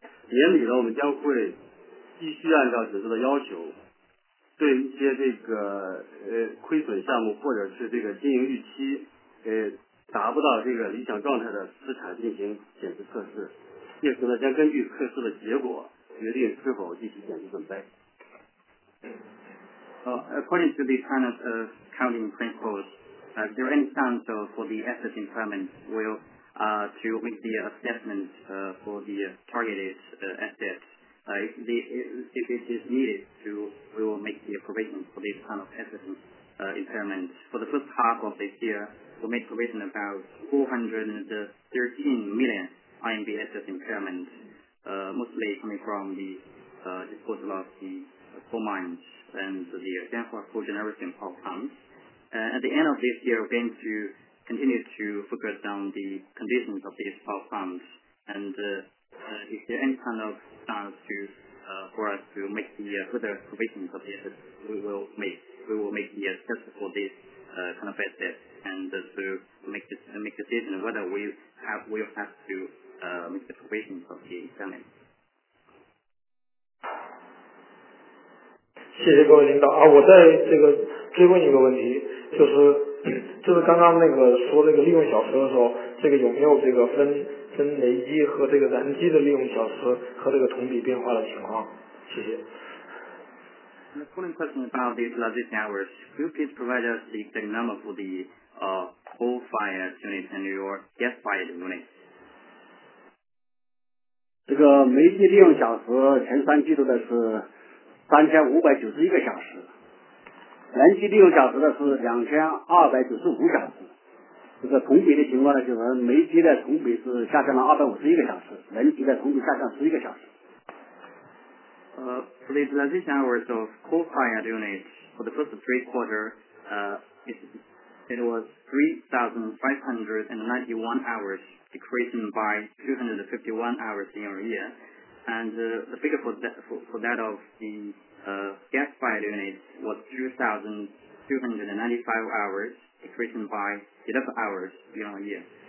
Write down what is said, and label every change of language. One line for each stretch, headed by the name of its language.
Chinese: 年底呢，我们将会继续按照准则的要求，对一些这个亏损项目或者是这个经营预期达不到这个理想状态的资产进行减值测试，届时呢将根据测试的结果决定是否继续减值准备。
English: According to the China's accounting principles, there any chance for the asset impairment will to make the assessment for the targeted asset. If it is needed, we will make the provision for this kind of asset impairment. For the first half of this year, we made provision about 413 million RMB asset impairment, mostly coming from the disposal of the coal mines and the Jianhua coal generation power plants. At the end of this year, we're going to continue to focus on the conditions of these power plants, and is there any kind of chance for us to make the further provisions of the asset, we will make the assessment for this kind of asset, and to make a decision whether we will have to make the provisions of the impairment.
Chinese: 谢谢各位领导啊，我在这个追问一个问题，就是刚刚那个说那个利用小时的时候，这个有没有这个分煤机和这个燃机的利用小时和这个同比变化的情况？谢谢。
English: The following question about the utilization hours, could you please provide us the exact number for the coal-fired unit and your gas-fired unit?
Chinese: 这个煤机利用小时前三季度的是3591个小时。燃机利用小时的是2295小时，这个同比的情况呢，就是煤机的同比是下降了251个小时，燃机的同比下降11个小时。
English: For the utilization hours of coal-fired units for the first three quarter, it was 3,591 hours, decreasing by 251 hours in a year, and the figure for that of the gas-fired unit was 2,295 hours, decreasing by 11 hours year-on-year.